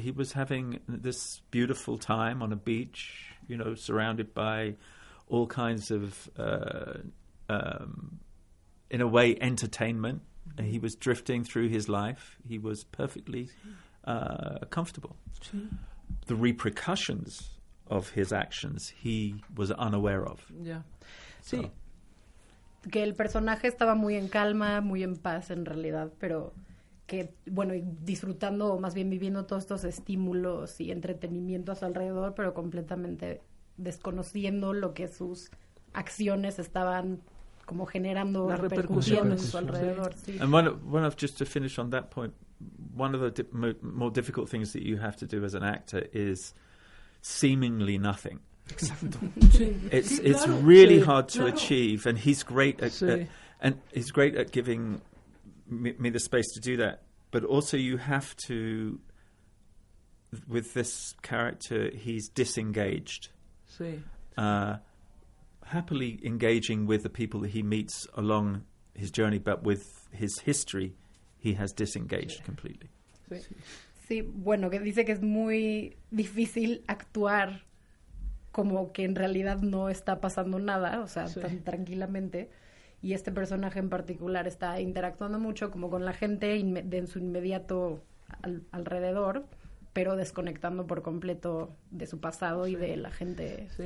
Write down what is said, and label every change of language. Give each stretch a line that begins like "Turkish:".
English: He was having this beautiful time on a beach, you know, surrounded by all kinds of, in a way, entertainment. Mm-hmm. And he was drifting through his life. He was perfectly comfortable. The repercussions of his actions he was unaware of.
Spanish: Sí. Que el personaje estaba muy en calma, muy en paz en realidad, pero que, bueno, disfrutando o más bien viviendo todos estos estímulos y entretenimiento a su alrededor, pero completamente desconociendo lo que sus acciones estaban como generando, la repercusión en su alrededor. Sí.
English: And one of, just to finish on that point, one of the more difficult things that you have to do as an actor is seemingly nothing.
Spanish: Exacto. Sí.
English: It's claro, really hard to achieve, and he's great at and he's great at giving me the space to do that. But also, you have to, with this character, he's disengaged. Happily engaging with the people that he meets along his journey, but with his history, he has disengaged completely.
Spanish: Sí. Bueno, que dice que es muy difícil actuar como que en realidad no está pasando nada, o sea, tan tranquilamente. Y este personaje en particular está interactuando mucho como con la gente de en su inmediato alrededor, pero desconectando por completo de su pasado y de la gente.